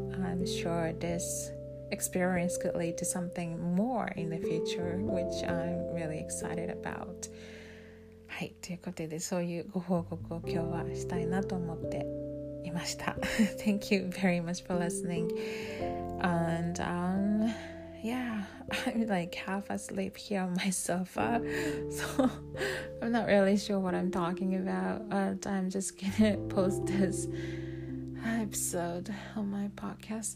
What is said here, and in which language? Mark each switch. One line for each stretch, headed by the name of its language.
English: I'm sure this experience could lead to something more in the future, which I'm really excited about.
Japanese: はい、ということでそういうご報告を今日はしたいなと思っていました。
English: Thank you very much for listening. And yeah, I'm like half asleep here on my sofa. So I'm not really sure what I'm talking about, but I'm just gonna post this episode on my podcast.